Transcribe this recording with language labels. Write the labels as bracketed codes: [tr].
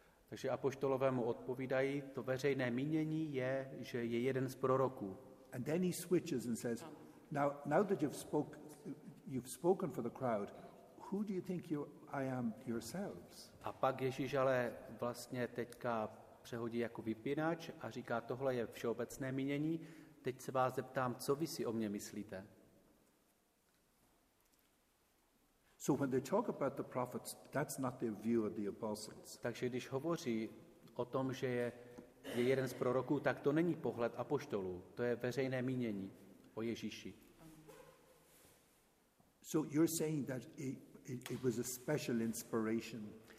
[cs] Takže apoštolové mu odpovídají, to veřejné mínění je, že je jeden z proroků. [en] And then he switches and says, now that you've spoken for the crowd, who do you think I am yourselves? [cs] A pak Ježíš ale vlastně teďka přehodí jako vypínač a říká, tohle je všeobecné mínění, teď se vás zeptám, co vy si o mě myslíte? [en] So when they talk about the prophets, that's not their view of the apostles. [cs] Takže když hovoří o tom, že je jeden z proroků, tak to není pohled apoštolů, to je veřejné mínění o Ježíši. [en] So you're saying that it was a special inspiration.